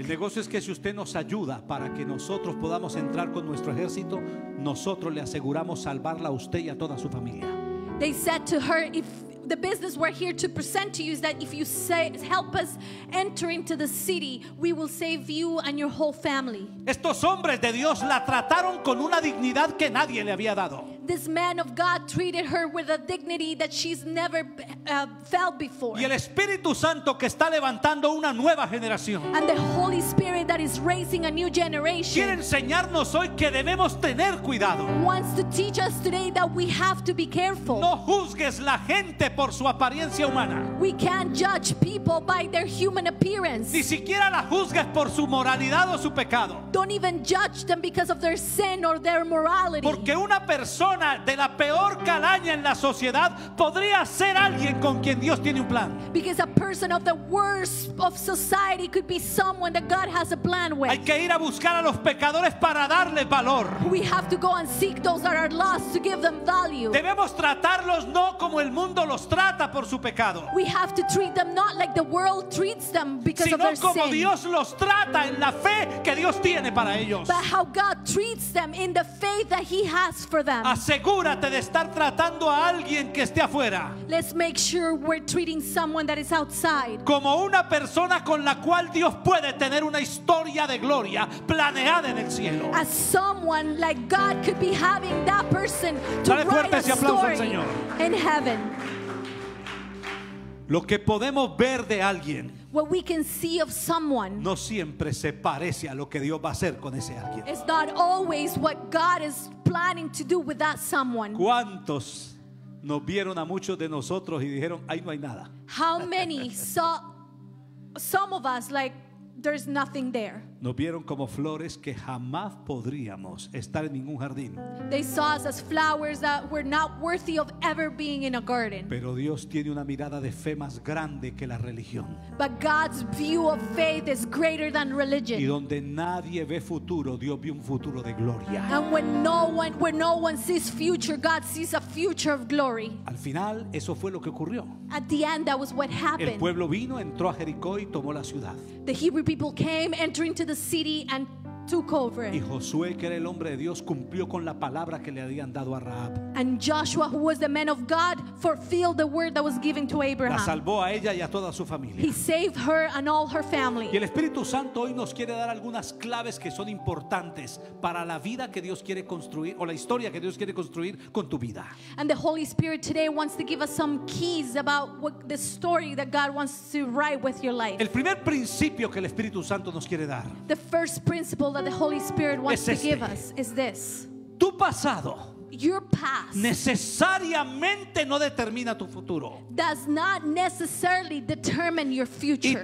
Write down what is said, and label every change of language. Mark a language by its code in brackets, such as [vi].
[es] El negocio es que si usted nos ayuda para que nosotros podamos entrar con nuestro ejército, nosotros le aseguramos salvarla a usted y a toda su familia. [en] They said to her, if the business we're here to present to you is that if you say, help us enter into the city, we will save you and your whole family. [es] Estos hombres de Dios la trataron con una dignidad que nadie le había dado. [en] This man of God treated her with a dignity that she's never felt before. [es] Y el Espíritu Santo que está levantando una nueva generación. [en] And the Holy Spirit that is raising a new generation. [es] Quiere enseñarnos hoy que debemos tener cuidado. [en] Wants to teach us today that we have to be careful. [es] No juzgues la gente por su apariencia humana. [en] We can't judge people by their human appearance. [es] Ni siquiera la juzgues por su moralidad o su pecado. [en] Don't even judge them because of their sin or their morality. [es] Porque una persona de la peor calaña en la sociedad podría ser alguien con quien Dios tiene un plan. [en] Because a person of the worst of society could be someone that God has a plan with. [es] Hay que ir a buscar a los pecadores para darles valor. [en] We have to go and seek those that are lost to give them value. [es] Debemos tratarlos no como el mundo los trata por su pecado. [en] We have to treat them not like the world treats them because of their sin. [es] Sino como Dios los trata en la fe que Dios tiene para ellos. [en] But how God treats them in the faith that He has for them. [es] Asegúrate de estar tratando a alguien que esté afuera. [en] Let's make sure we're treating someone that is outside. [es] Como una persona con la cual Dios puede tener una historia de gloria planeada en el cielo. [en] As someone like God could be having that person to write a story. [es] Dale ese aplauso al Señor. [en] In heaven. [es] Lo que podemos ver de alguien. [en] What we can see of someone. [es] No siempre se parece a lo que Dios va a hacer con ese alguien. [en] It's not always what God is planning to do with that someone. [es] ¿Cuántos nos vieron a muchos de nosotros y dijeron, ahí no hay nada? [en] How many saw some of us like there's nothing there? [es] Nos vieron como flores que jamás podríamos estar en ningún jardín. [en] They saw us as flowers that were not worthy of ever being in a garden. [es] Pero Dios tiene una mirada de fe más grande que la religión. [en] But God's view of faith is greater than religion. [es] Y donde nadie ve futuro, Dios ve un futuro de gloria. [en] And when no one sees future, God sees a future of glory. [es] Al final, eso fue lo que ocurrió. [en] At the end, that was what happened. [es] El pueblo vino, entró a Jericó y tomó la ciudad. [en] The Hebrew people came, entering to the city and took over it. [es] Y Josué, que era el hombre de Dios, cumplió con la palabra que le habían dado a Rahab. [en] And Joshua, who was the man of God, fulfilled the word that was given to Abraham. [es] La salvó a ella y a toda su familia. [en] He saved her and all her family. [es] Y el Espíritu Santo hoy nos quiere dar algunas claves que son importantes para la vida que Dios quiere construir o la historia que Dios quiere construir con tu vida. [en] And the Holy Spirit today wants to give us some keys about what the story that God wants to write with your life. [es] El primer principio que el Espíritu Santo nos quiere dar. [en] The first principle that the Holy Spirit wants [es] es este. [en] To give us is this. [es] Tu pasado, [en] your past, [es] necesariamente no determina tu futuro. [en] Does not necessarily determine your future.